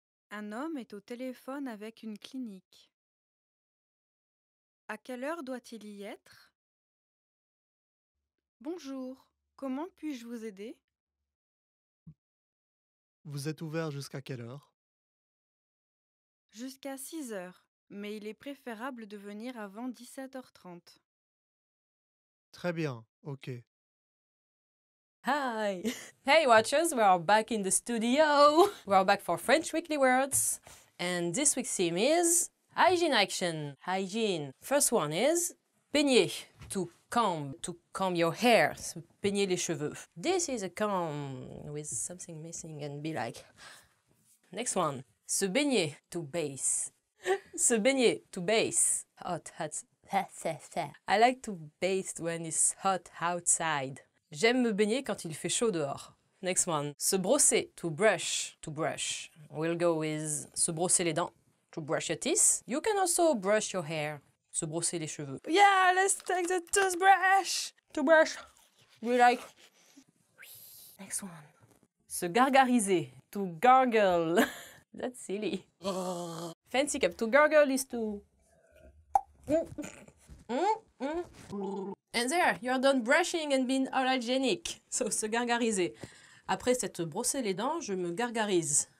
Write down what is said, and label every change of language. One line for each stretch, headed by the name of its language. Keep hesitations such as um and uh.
French: Un homme est au téléphone avec une clinique. À quelle heure doit-il y être Bonjour, comment puis-je vous aider vous êtes ouvert jusqu'à quelle heure Jusqu'à 6 heures, mais il est préférable de venir avant 17h30. Très bien, ok.
English: Hi! Hey, watchers, we are back in the studio! We are back for French Weekly Words, and this week's theme is hygiene action. Hygiene. First one is peigner, tout comb, to comb your hair,
French: peigner les cheveux.
English: This is a comb with something missing and be like. Next one,
French: se baigner,
English: to bathe. se baigner, to bathe. Hot, hot. I like to bathe when it's hot outside.
French: J'aime me baigner quand il fait chaud dehors.
English: Next one. Se brosser. To brush. To brush. We'll go with
French: se brosser les dents.
English: To brush your teeth. You can also brush your hair
French: se brosser les cheveux.
English: Yeah, let's take the toothbrush. Toothbrush. We like. Next one. Se gargariser. To gargle. That's silly. Fancy cap. To gargle is to. Mm. Mm. Mm. And there, you're done brushing and being allergenic. So, se gargariser.
French: Après cette brossé les dents, je me gargarise.